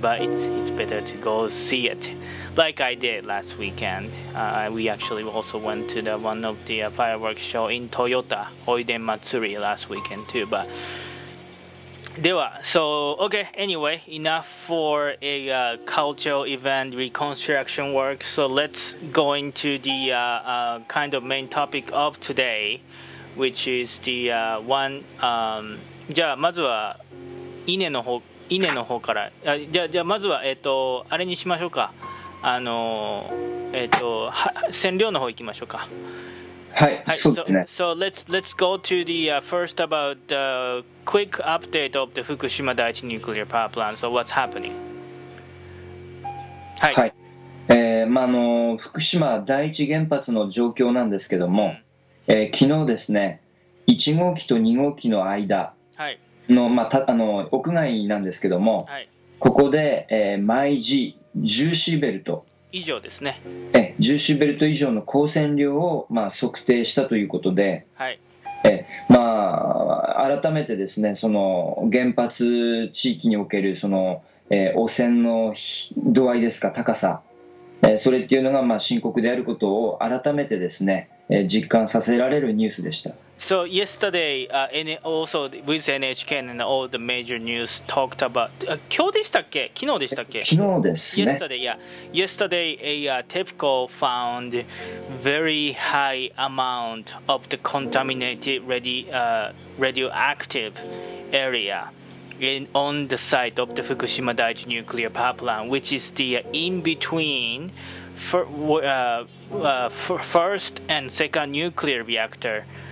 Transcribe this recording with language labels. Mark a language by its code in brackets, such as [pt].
[en] But it's better to go see it. Like I did last weekend, we actually also went to the one of the fireworks show in Toyota, Oiden Matsuri last weekend too. But [ja] では、 [en] so okay. Anyway, enough for a cultural event reconstruction work. So let's go into the kind of main topic of today, which is the one. [ja] じゃあまずは稲の方から。じゃあまずはあれにしましょうか。占領の方行きましょうか。はい、はい、そうですね。 [en] So let's go to the first about the quick update of the Fukushima [ja] 第一 [en] nuclear power plant. So what's happening? [ja] はい、はい、福島第一原発の状況なんですけども、昨日ですね、1号機と2号機の間の、はい、まあ、屋外なんですけども、はい、ここで、毎時10シーベルト以上ですね。 10シーベルト以上の光線量を、まあ、測定したということで、はい、まあ、改めてですね、その原発地域におけるその、汚染の度合いですか、高さ、それっていうのがまあ深刻であることを改めてですね、実感させられるニュースでした。 [en] So yesterday, also with NHK and all the major news talked about, [ja] 今日でしたっけ？昨日でしたっけ？昨日ですね。 [en] Yesterday, yeah. Yesterday, a TEPCO found very high amount of the contaminated radioactive area on the site of the Fukushima Daiichi nuclear power plant, which is the in between first and second nuclear reactor.